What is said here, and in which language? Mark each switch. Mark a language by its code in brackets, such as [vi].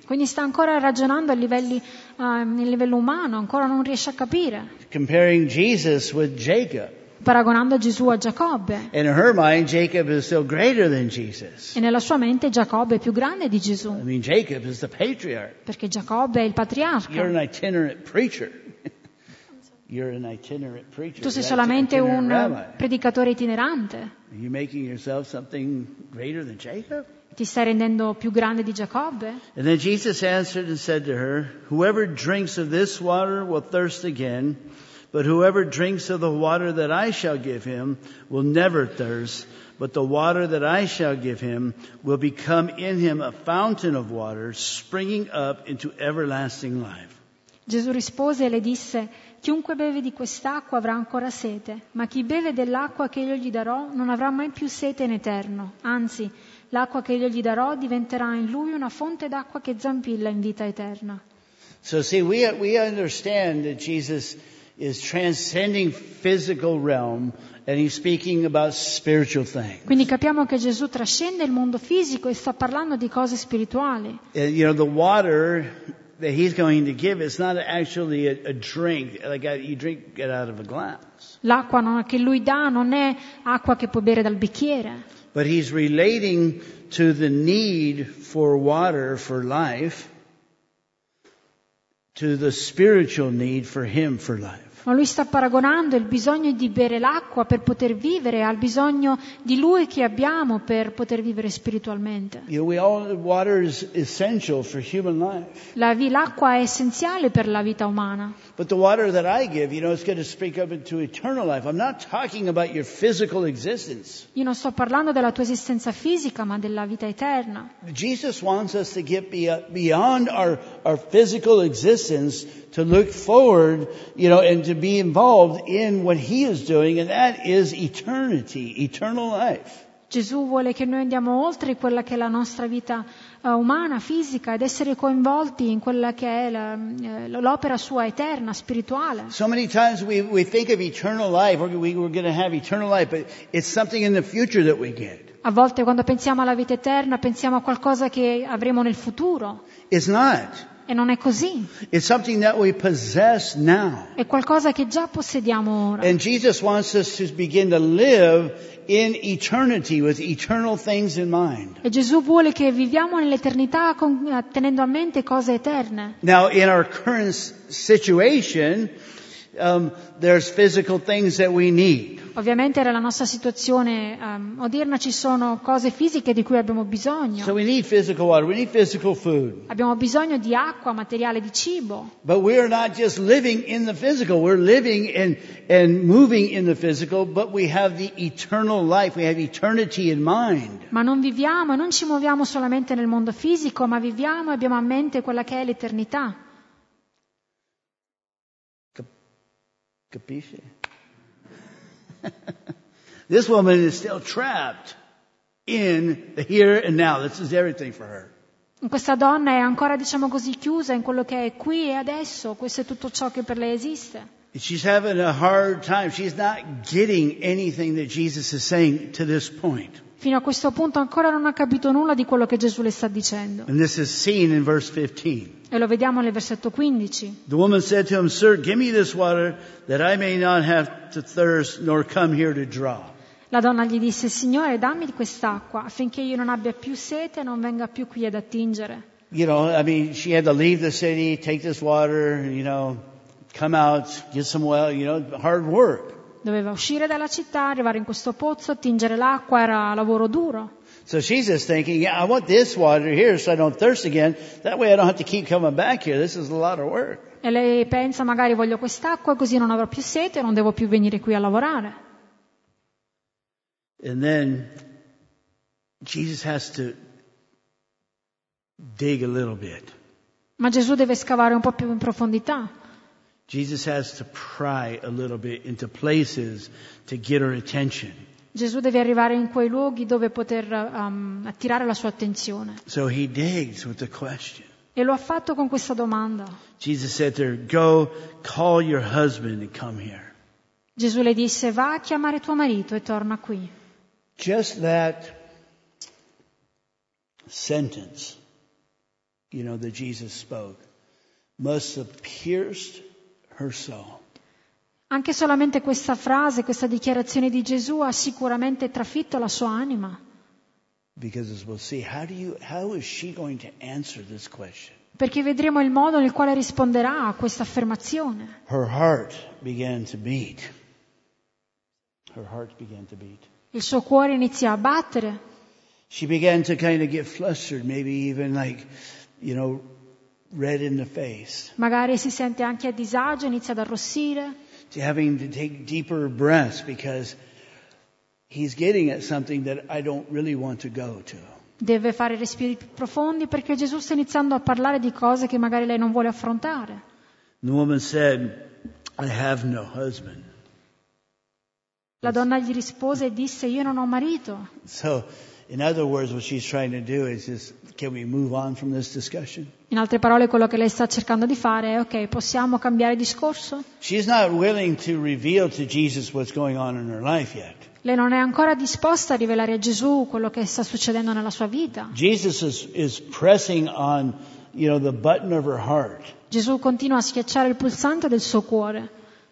[it] Quindi sta ancora ragionando a livelli nel livello umano, ancora non riesce a capire. [en] Comparing Jesus with Jacob. [it] Paragonando Gesù a Giacobbe. [en] In her mind, Jacob is still greater than Jesus. [it] E nella sua mente Giacobbe è più grande di Gesù. [en] I mean, Jacob is the patriarch. [it] Perché Giacobbe è il patriarca. [en] You're an itinerant preacher. You're an itinerant preacher. [it] Tu sei solamente un predicatore itinerante. [en] Are you making yourself something greater than Jacob? [it] Ti stai rendendo più grande di Giacobbe? [en] And then Jesus answered and said to her, "Whoever drinks of this water will thirst again, but whoever drinks of the water that I shall give him will never thirst, but the water that I shall give him will become in him a fountain of water springing up into everlasting life." [it] Gesù rispose e le disse: chiunque beve di quest'acqua avrà ancora sete, ma chi beve dell'acqua che io gli darò non avrà mai più sete in eterno. Anzi, l'acqua che io gli darò diventerà in lui una fonte d'acqua che zampilla in vita eterna. [en] So see, we understand that Jesus is transcending physical realm and he's speaking about spiritual things. [it] Quindi capiamo che Gesù trascende il mondo fisico e sta parlando di cose spirituali. [en] You know, the water that he's going to give is not actually a drink like you drink it out of a glass. [it] L'acqua che lui dà non è acqua che puoi bere dal bicchiere. [en] But he's relating to the need for water for life, to the spiritual need for him for life. [it] Ma lui sta paragonando il bisogno di bere l'acqua per poter vivere al bisogno di lui che abbiamo per poter vivere spiritualmente. [en] You know, water is essential for human life. [it] L'acqua è essenziale per la vita umana. [en] But the water that I give, you know, it's going to speak up into eternal life. I'm not talking about your physical existence. [it] Io non sto parlando della tua esistenza fisica, ma della vita eterna. [en] Jesus wants us to get beyond our physical existence to look forward, you know, and to be involved in what he is doing, and that is eternity, eternal life. [it] Gesù vuole che noi andiamo oltre quella che è la nostra vita umana, fisica, ed essere coinvolti in quella che è l'opera sua eterna, spirituale. [en] So many times we think of eternal life, we're going to have eternal life, but it's something in the future that we get. [it] A volte quando pensiamo alla vita eterna, pensiamo a qualcosa che avremo nel futuro. [en] It's not. [it] E non è così. [en] It's something that we possess now. [it] È qualcosa che già possediamo ora. [en] And Jesus wants us to begin to live in eternity with eternal things in mind. [it] E Gesù vuole che viviamo nell'eternità tenendo a mente cose eterne. [en] Now in our current situation, there's physical things that we need. [it] Ovviamente nella nostra situazione odierna ci sono cose fisiche di cui abbiamo bisogno. [en] So we need physical water, we need physical food. [it] Abbiamo bisogno di acqua, materiale di cibo. [en] But we are not just living in the physical, we're living and moving in the physical, but we have the eternal life, we have eternity in mind. [it] Ma non viviamo e non ci muoviamo solamente nel mondo fisico, ma viviamo e abbiamo a mente quella che è l'eternità. Capisci? [en] This woman is still trapped in the here and now. This is everything for her. [it] Questa donna è ancora, diciamo così, chiusa in quello che è qui e adesso. Questo è tutto ciò che per lei esiste. [en] She's having a hard time. She's not getting anything that Jesus is saying to this point. [it] Fino a questo punto ancora non ha capito nulla di quello che Gesù le sta dicendo. [en] And this is seen in verse 15. [it] E lo vediamo nel versetto 15. [en] The woman said to him, "Sir, give me this water that I may not have to thirst nor come here to draw." [it] La donna gli disse: "Signore, dammi quest'acqua affinché io non abbia più sete e non venga più qui ad attingere." [en] You know, I mean, she had to leave the city, take this water, you know, come out, get some well, you know, hard work. [it] Doveva uscire dalla città, arrivare in questo pozzo, attingere l'acqua, era lavoro duro. [en] So she's just thinking, yeah, I want this water here so I don't thirst again. That way I don't have to keep coming back here. This is a lot of work. [it] E lei pensa, magari voglio quest'acqua così non avrò più sete e non devo più venire qui a lavorare. [en] And then Jesus has to dig a little bit. [it] Ma Gesù deve scavare un po' più in profondità. [en] Jesus has to pry a little bit into places to get her attention. [it] Gesù deve arrivare in quei luoghi dove poter attirare la sua attenzione. [en] So he digs with the question. [it] E lo ha fatto con questa domanda. [en] Jesus said to her, "Go, call your husband and come here." [it] Gesù le disse, va a chiamare tuo marito e torna qui. [en] Just that sentence, you know, that Jesus spoke, must have pierced her soul. [it] Anche solamente questa frase, questa dichiarazione di Gesù ha sicuramente trafitto la sua anima. [en] Because we'll see, how is she going to answer this question? [it] Perché vedremo il modo nel quale risponderà a questa affermazione. [en] Her heart began to beat. Her heart began to beat. [it] Il suo cuore inizia a battere. [en] She began to kind of get flustered, maybe even like, you know, red in the face. [it] Magari si sente anche a disagio, inizia ad arrossire. [en] To having to take deeper breaths because he's getting at something that I don't really want to go to. [it] Deve fare respiri più profondi perché Gesù sta iniziando a parlare di cose che magari lei non vuole affrontare. [en] The woman said, "I have no husband." [it] La donna gli rispose e disse, "Io non ho marito." [en] So, in other words, what she's trying to do is just, can we move on from this discussion? [it] In altre parole, quello che lei sta cercando di fare è, ok, possiamo cambiare discorso? [en] She's not willing to reveal to Jesus what's going on in her life yet. [it] Lei non è ancora disposta a rivelare a Gesù quello che sta succedendo nella sua vita. [en] Jesus is pressing on, you know, the button of her heart. [it] Gesù continua a schiacciare il pulsante del suo cuore.